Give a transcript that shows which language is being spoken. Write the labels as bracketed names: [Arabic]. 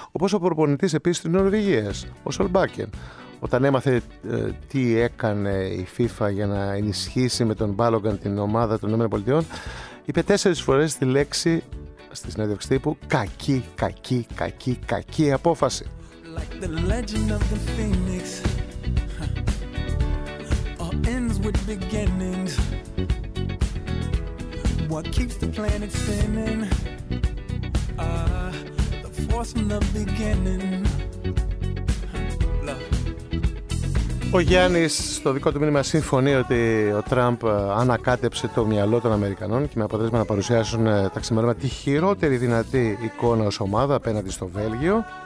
[Greek] Όπως ο προπονητής επίσης της Νορβηγίας, ο Σολμπάκεν, όταν έμαθε τι έκανε η FIFA για να ενισχύσει με τον Μπάλογκαν την ομάδα των ΗΠΑ, είπε 4 φορές τη λέξη στη συνέντευξη τύπου «κακή, κακή, κακή, κακή απόφαση». [English] Like the legend of the Phoenix, all ends with beginnings. What keeps the planet spinning? The force from the beginning. [Greek] Ο Γιάννης στο δικό του μήνυμα συμφωνεί ότι ο Τραμπ ανακάτεψε το μυαλό των Αμερικανών και με αποτέλεσμα να παρουσιάσουν τα ξημερώματα τη χειρότερη δυνατή εικόνα ως ομάδα απέναντι στο Βέλγιο.